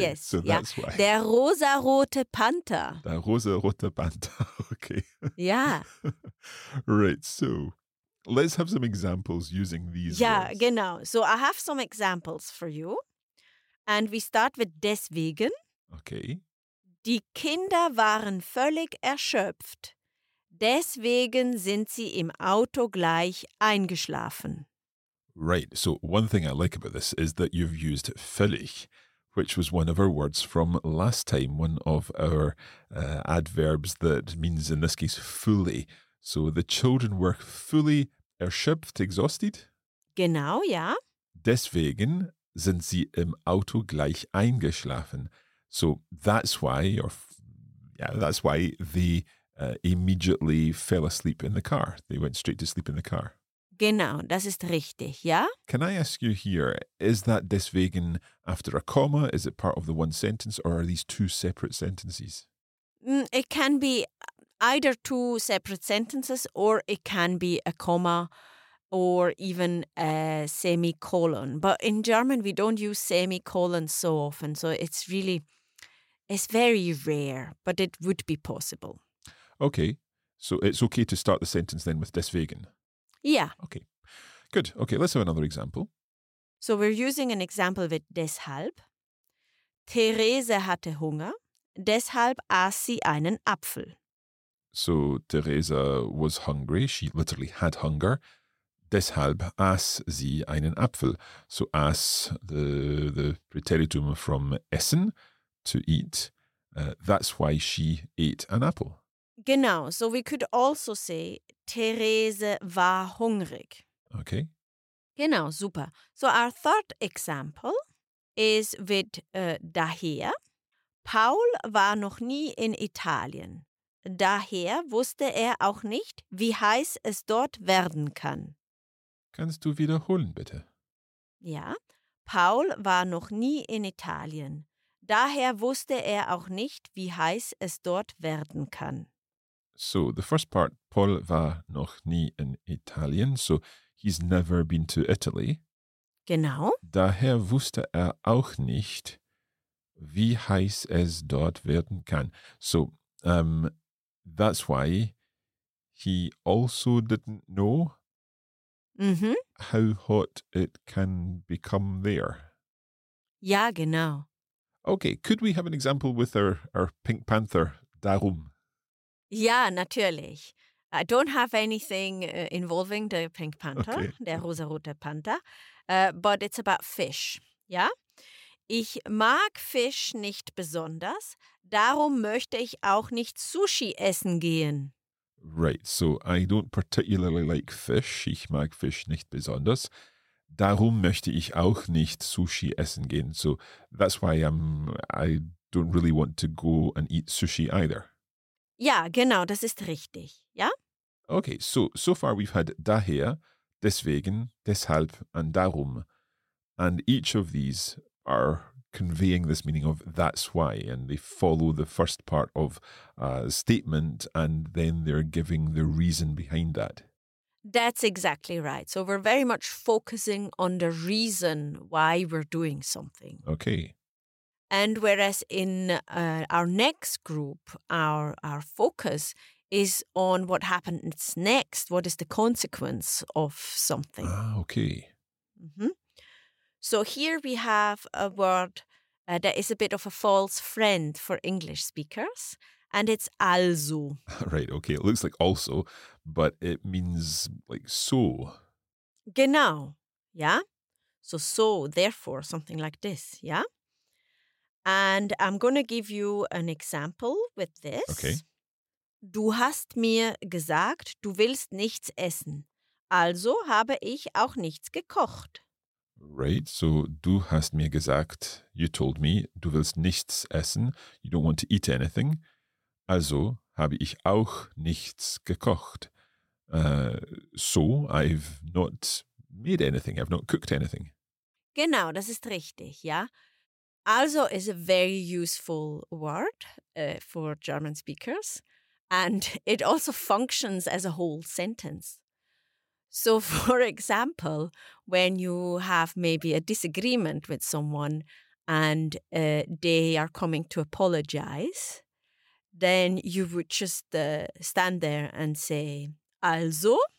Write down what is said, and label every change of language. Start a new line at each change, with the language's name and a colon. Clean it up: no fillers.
English: yes, so that's why.
German: Der rosa-rote Panther. Der rosa-rote Panther, okay.
English: Yeah. Right, so let's have some examples using these words.
German: Genau.
English: So I have some examples for you. And we start with deswegen. Okay.
German: Die Kinder waren völlig erschöpft. Deswegen sind sie im Auto gleich eingeschlafen.
English: Right. So one thing I like about this is that you've used völlig, which was one of our words from last time, one of our adverbs that means, in this case, fully. So the children were fully erschöpft, exhausted.
German: Genau, ja. Deswegen sind sie im Auto gleich eingeschlafen.
English: So that's why, that's why they immediately fell asleep in the car. They went straight to sleep in the car.
German: Genau, das ist richtig, ja?
English: Can I ask you here, is that deswegen after a comma? Is it part of the one sentence or are these two separate sentences? It can be either two separate sentences or it can be a comma or even a semicolon. But in German, we don't use semicolons so often. So it's very rare, but it would be possible. Okay, so it's okay to start the sentence then with deswegen? Yeah. Okay, good. Okay, let's have another example. So we're using an example with deshalb.
German: Therese hatte Hunger, deshalb aß sie einen Apfel.
English: So Therese was hungry, she literally had hunger,
German: deshalb aß sie einen Apfel.
English: So aß, the preteritum from essen, to eat, that's why she ate an apple.
German: Genau,
English: so we could also say, Therese
German: war hungrig.
English: Okay.
German: Genau, super.
English: So our third example is with daher.
German: Paul war noch nie in Italien. Daher wusste er auch nicht, wie heiß es dort werden kann. Kannst du wiederholen, bitte? Ja, Paul war noch nie in Italien. Daher wusste er auch nicht, wie heiß es dort werden kann.
English: So the first part,
German: Paul war noch nie in Italien.
English: So he's never been to Italy.
German: Genau. Daher wusste er auch nicht, wie heiß es dort werden kann.
English: So that's why he also didn't know how hot it can become there.
German: Ja, genau.
English: Okay, could we have an example with our Pink Panther, darum?
German: Ja, natürlich.
English: I don't have anything involving the Pink Panther, okay.
German: Der rosa-rote Panther,
English: but it's about fish.
German: Ja? Ich mag Fisch nicht besonders, darum möchte ich auch nicht Sushi essen gehen.
English: Right, so I don't particularly like fish.
German: Ich mag Fisch nicht besonders. Darum möchte ich auch nicht Sushi essen gehen.
English: So that's why I don't really want to go and eat sushi either.
German: Ja, genau, das ist richtig, ja?
English: Okay, so far we've had daher, deswegen, deshalb and darum. And each of these are conveying this meaning of that's why, and they follow the first part of a statement and then they're giving the reason behind that. That's exactly right. So we're very much focusing on the reason why we're doing something. Okay. And whereas in our next group, our focus is on what happens next. What is the consequence of something? Ah, okay. Mm-hmm. So here we have a word that is a bit of a false friend for English speakers, and it's also. Right, okay. It looks like also, but it means like so.
German: Genau, yeah?
English: So, therefore, something like this, yeah? And I'm going to give you an example with this. Okay.
German: Du hast mir gesagt, du willst nichts essen. Also habe ich auch nichts gekocht.
English: Right, so
German: du hast mir gesagt,
English: you told me,
German: du willst nichts essen,
English: you don't want to eat anything.
German: Also habe ich auch nichts gekocht.
English: So I've not made anything, I've not cooked anything.
German: Genau, das ist richtig, ja.
English: Also is a very useful word for German speakers. And it also functions as a whole sentence. So, for example, when you have maybe a disagreement with someone and they are coming to apologize, then you would just stand there and say, also,